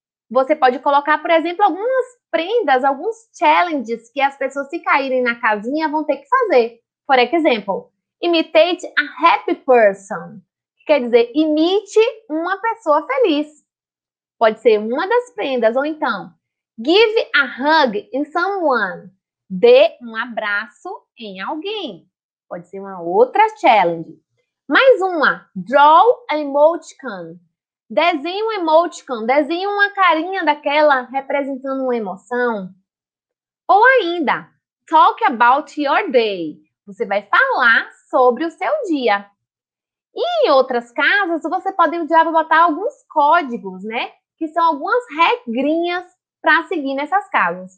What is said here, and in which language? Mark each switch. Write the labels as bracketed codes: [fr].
[pt] Você pode colocar, por exemplo, algumas prendas, alguns challenges que as pessoas, se caírem na casinha, vão ter que fazer. Por exemplo, [en] imitate a happy person. [pt] Quer dizer, imite uma pessoa feliz. Pode ser uma das prendas. Ou então, [en] give a hug in someone. [pt] Dê um abraço em alguém. Pode ser uma outra challenge. Mais uma. [en] Draw an emoticon. [pt] Desenhe um emoticon. Desenhe uma carinha daquela representando uma emoção. Ou ainda, [en] talk about your day. [pt] Você vai falar sobre o seu dia. E em outras casas, você pode já botar alguns códigos, né? que são algumas regrinhas para seguir nessas casas.